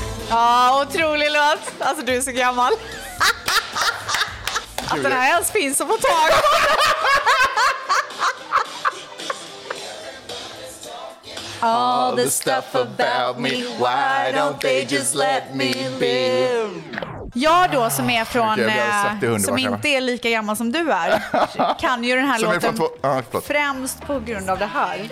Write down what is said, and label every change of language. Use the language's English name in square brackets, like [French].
[Swedish] Ja, otrolig låt. Alltså, du är så gammal. Att den här ens finns att få tag på. [English] All the stuff about me, why don't they just let me be? [Swedish] Jag då, som är från, som inte är lika gammal som du är, kan ju den här låten främst på grund av det här.